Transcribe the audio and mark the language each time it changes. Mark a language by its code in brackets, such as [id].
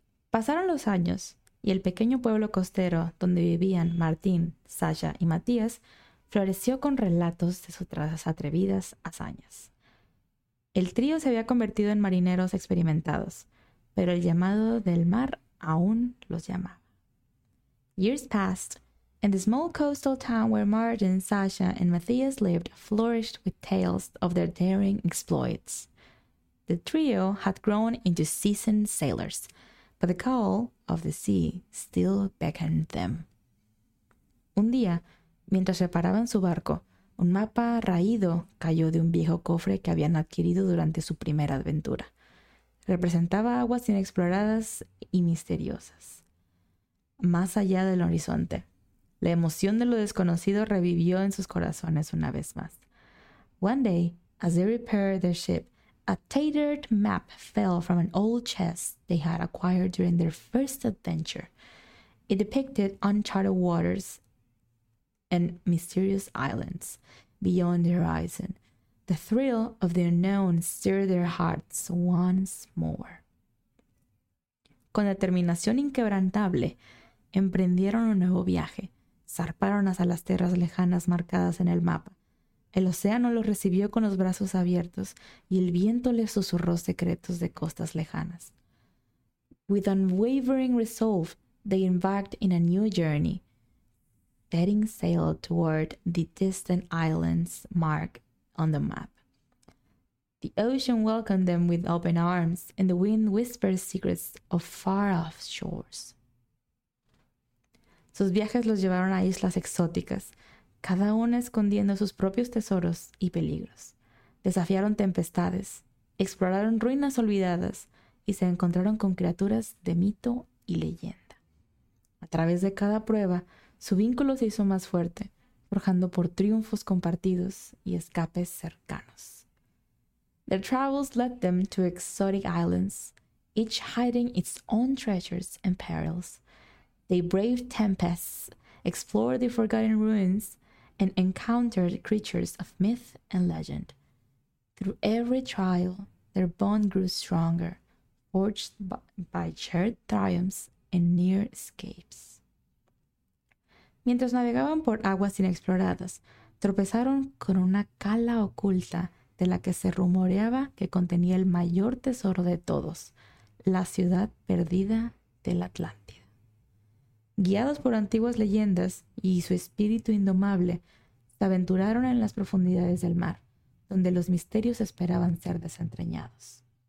[es] Pasaron los años y el pequeño pueblo costero donde vivían Martín, Sasha y Matías floreció con relatos de sus atrevidas hazañas. El trío se había convertido en marineros experimentados, pero el llamado del mar aún los llamaba. [en] Years passed, and the small coastal town where Martin, Sasha, and Matías lived flourished with tales of their daring exploits. The trio had grown into seasoned sailors, but the call of the sea still beckoned them. [es] Un día, mientras reparaban su barco, un mapa raído cayó de un viejo cofre que habían adquirido durante su primera aventura. Representaba aguas inexploradas y misteriosas. Más allá del horizonte, la emoción de lo desconocido revivió en sus corazones una vez más. [en] One day, as they repaired their ship, a tattered map fell from an old chest they had acquired during their first adventure. It depicted uncharted waters and mysterious islands beyond the horizon. The thrill of the unknown stirred their hearts once more. [es] Con determinación inquebrantable, emprendieron un nuevo viaje. Zarparon hacia las tierras lejanas marcadas en el mapa. El océano los recibió con los brazos abiertos y el viento les susurró secretos de costas lejanas. [en] With unwavering resolve, they embarked in a new journey, setting sail toward the distant islands marked on the map. The ocean welcomed them with open arms, and the wind whispered secrets of far-off shores. [es] Sus viajes los llevaron a islas exóticas, cada una escondiendo sus propios tesoros y peligros. Desafiaron tempestades, exploraron ruinas olvidadas y se encontraron con criaturas de mito y leyenda. A través de cada prueba, su vínculo se hizo más fuerte, forjando por triunfos compartidos y escapes cercanos. [en] Their travels led them to exotic islands, each hiding its own treasures and perils. They braved tempests, explored the forgotten ruins, and encountered creatures of myth and legend. Through every trial, their bond grew stronger, forged by shared triumphs and near escapes. [es] Mientras navegaban por aguas inexploradas, tropezaron con una cala oculta de la que se rumoreaba que contenía el mayor tesoro de todos, la ciudad perdida del Atlántida. Guiados por antiguas leyendas y su espíritu indomable, se aventuraron en las profundidades del mar, donde los misterios esperaban ser desentrañados.